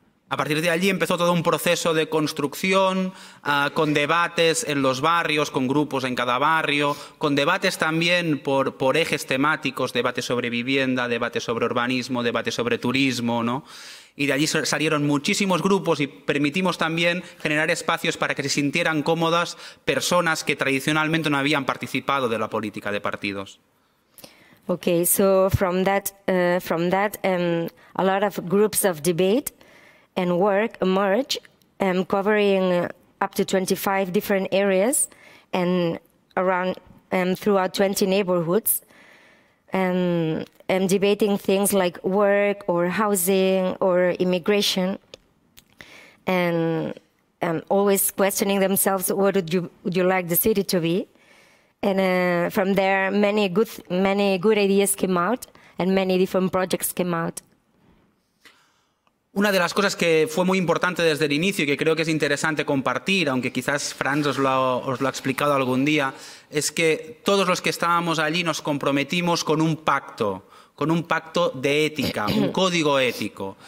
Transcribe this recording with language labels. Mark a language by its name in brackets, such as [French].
[Spanish] A partir de allí empezó todo un proceso de construcción, con debates en los barrios, con grupos en cada barrio, con debates también por ejes temáticos, debate sobre vivienda, debate sobre urbanismo, debate sobre turismo, ¿no? Y de allí salieron muchísimos grupos y permitimos también generar espacios para que se sintieran cómodas personas que tradicionalmente no habían participado de la política de partidos. [English] Okay, so from that, a lot of groups of debate and work emerged, covering up to 25 different areas and around throughout 20 neighborhoods. Debating things like work or housing or immigration, and always questioning themselves, what would you like the city to be? And from there, many good ideas came out, and many different projects came out. [Spanish] Una de las cosas que fue muy importante desde el inicio y que creo que es interesante compartir, aunque quizás Franz os lo ha explicado algún día, es que todos los que estábamos allí nos comprometimos con un pacto de ética, un código ético.